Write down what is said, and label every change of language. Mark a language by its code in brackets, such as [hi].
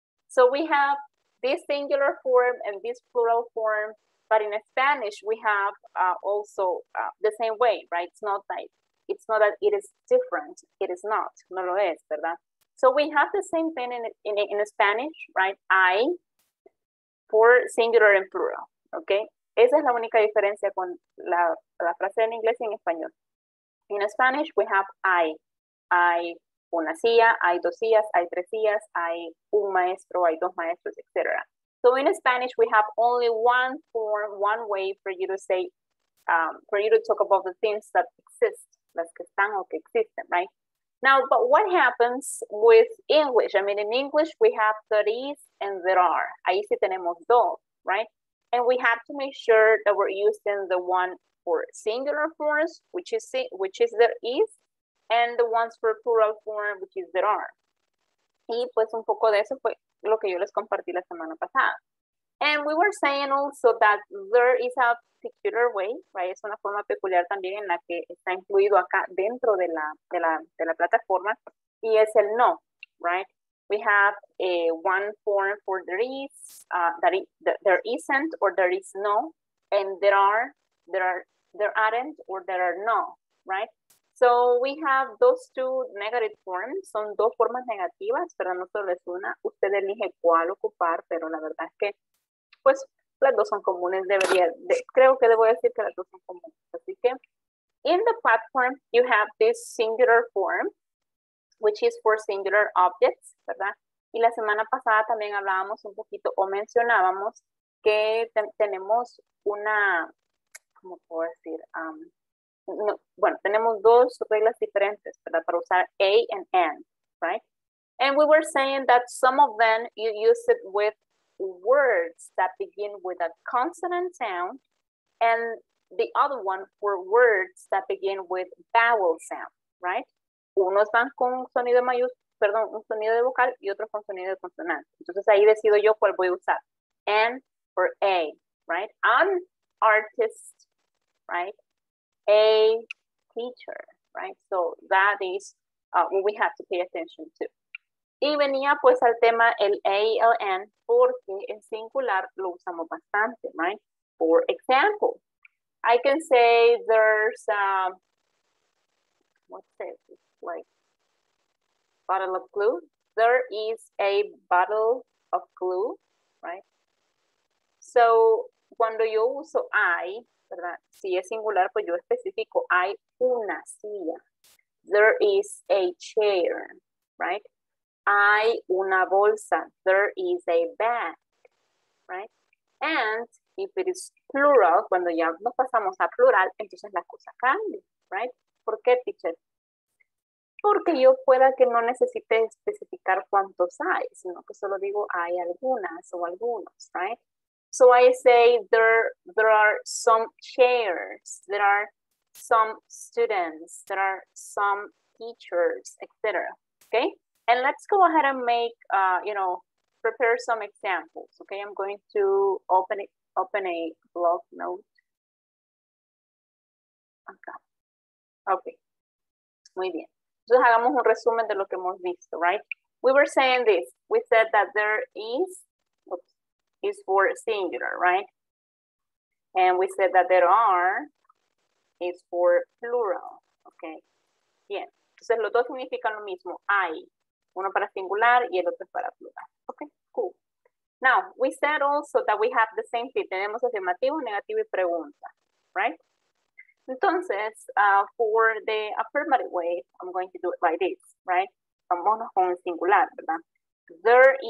[en] So we have this singular form and this plural form. But in Spanish, we have also the same way, right? It's not that it is different. It is not. [es] No lo es, ¿verdad? [en] So we have the same thing in Spanish, right? I for singular and plural, okay? [es] Esa es la única diferencia con la frase en inglés y en español. [en] In Spanish, we have I. I [es] una silla, [en] I [es] dos sillas, [en] I [es] tres sillas, [en] I [es] un maestro, [en] I [es] dos maestros, [en] etc. So in Spanish, we have only one form, one way for you to say, for you to talk about the things that exist, [es] las que están o que existen, [en] right? Now, but what happens with English? I mean, in English, we have there is and there are. [es] Ahí sí tenemos dos, [en] right? And we have to make sure that we're using the one for singular forms, which is there is, and the ones for plural form, which is there are. [es] Y pues un poco de eso fue lo que yo les compartí la semana pasada. [en] And we were saying also that there is a peculiar way, right? [es] Es una forma peculiar también en la que está incluido acá dentro de la plataforma, y es el no, right? [en] We have a one form for there is, there isn't, or there is no, and there aren't, or there are no, right? So we have those two negative forms. [es] Son dos formas negativas, pero no solo es una. Usted elige cuál ocupar, pero la verdad es que, pues, las dos son comunes. Creo que debo decir que las dos son comunes. Así que, [en] in the platform, you have this singular form, which is for singular objects, ¿verdad? [es] Y la semana pasada también hablábamos un poquito o mencionábamos que tenemos una, ¿cómo puedo decir? no, bueno, tenemos dos reglas diferentes, ¿verdad? Para usar A and N, right? [en] And we were saying that some of them, you use it with words that begin with a consonant sound, and the other one for words that begin with vowel sound, right? [es] Unos van con sonido mayúsculo, perdón, un sonido de vocal, y otros con sonido de consonante. Entonces ahí decido yo cuál voy a usar. [en] N for A, right? An artist, right? A teacher, right? So that is what we have to pay attention to. [es] Y venía pues al tema el A, L, N, porque en singular lo usamos bastante, right? [en] For example, I can say there's a, what's this? It's like bottle of glue. There is a bottle of glue, right? [es] So cuando yo uso I, ¿verdad? Si es singular, pues yo especifico, hay una silla. [en] There is a chair, right? [es] Hay una bolsa. [en] There is a bag, right? And if it is plural, [es] cuando ya nos pasamos a plural, entonces la cosa cambia, [en] right? [es] ¿Por qué, teacher? Porque yo pueda que no necesite especificar cuántos hay, sino que solo digo hay algunas o algunos, right? [en] So I say there are some chairs, there are some students, there are some teachers, etc. Okay? And let's go ahead and make, you know, prepare some examples. Okay? I'm going to open a blog note. [es] Okay. Muy bien. Entonces hagamos un resumen de lo que hemos visto, right? [en] We were saying this. We said that there is, is for singular, right? And we said that there are is for plural, okay? [es] Bien. Entonces, los dos significan lo mismo. Hay. Uno para singular y el otro para plural. [en] Okay, cool. Now, we said also that we have the same thing. [es] Tenemos afirmativo, negativo y pregunta, [en] right? Entonces, for the affirmative way, I'm going to do it like this, right? [es] Vamos con singular, ¿verdad?